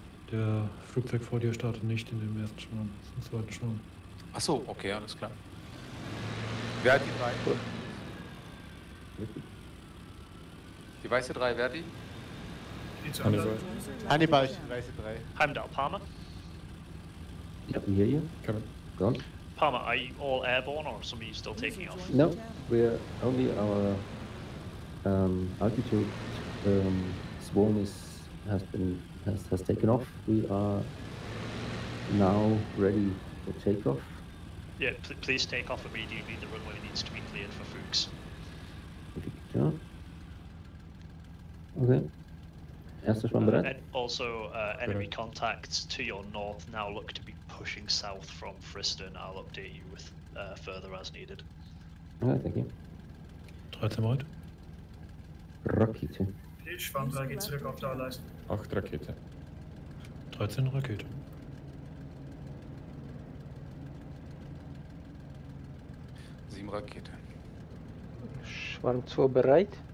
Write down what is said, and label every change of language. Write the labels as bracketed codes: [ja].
[de] Der Flugzeug vor dir startet nicht in dem ersten Schwung, im zweiten Schwung. Achso, okay, alles klar. Wer hat die drei? Die weiße drei, wer hat die? Hannibal, die weiße drei. Heimdall, Palmer. Ja, wir hier. [en] Gone. Palmer, are you all airborne or some of you still taking off? No, we're only our altitude swarm has taken off. We are now ready for takeoff. Yeah, please take off immediately. The runway needs to be cleared for Fuchs. If you can. Okay. And also, enemy contacts to your north now look to be pushing south from Friston. I'll update you with further as needed. Okay, thank you. [de] 13 Volt. Rakete. Schwamm 3 geht zurück auf Dauerleistung. 8 Rakete. 13 Rakete. Sieben Rakete. Schwamm 2 bereit.